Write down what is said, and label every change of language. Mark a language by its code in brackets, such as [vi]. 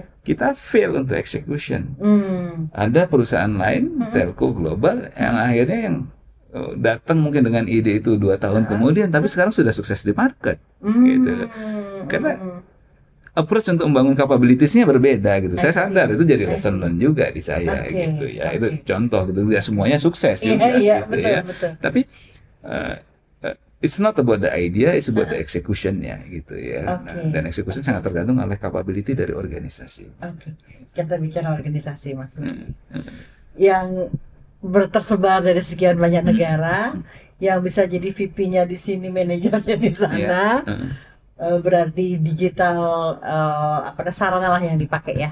[id] Kita fail untuk execution. Ada perusahaan lain, telco global, yang akhirnya yang datang mungkin dengan ide itu 2 tahun kemudian, tapi sekarang sudah sukses di market. Gitu. Karena approach untuk membangun capabilities-nya berbeda gitu. Saya sadar itu jadi lesson learned juga di saya gitu ya. Itu contoh gitu, tidak semuanya sukses juga. Iya, betul. [en] Tapi it's not about the idea, it's about the execution-nya [id] gitu ya. Dan execution sangat tergantung oleh capability dari organisasi. Kita bicara organisasi maksudnya. Yang tersebar dari sekian banyak negara, yang bisa jadi VP-nya di sini, manajernya di Iya. sana, berarti digital apa sarana lah yang dipakai ya.